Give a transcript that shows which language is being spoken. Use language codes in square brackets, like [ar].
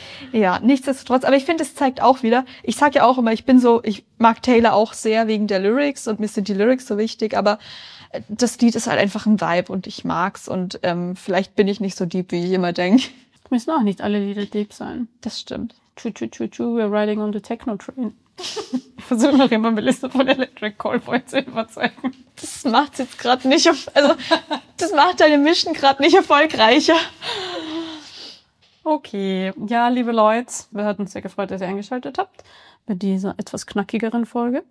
[de] Ja, nichtsdestotrotz. Aber ich finde, es zeigt auch wieder, ich sage ja auch immer, ich mag Taylor auch sehr wegen der Lyrics und mir sind die Lyrics so wichtig, aber das Lied ist halt einfach ein Vibe und ich mag's und vielleicht bin ich nicht so deep, wie ich immer denke. Müssen auch nicht alle Lieder deep sein. Das stimmt. [en] We're riding on the techno train. [de] Ich versuche noch immer, Melissa von Electric Callboy zu überzeugen. Das macht jetzt gerade nicht, das macht deine Mission gerade nicht erfolgreicher. Okay, ja, liebe Leute, wir hatten uns sehr gefreut, dass ihr eingeschaltet habt bei dieser etwas knackigeren Folge.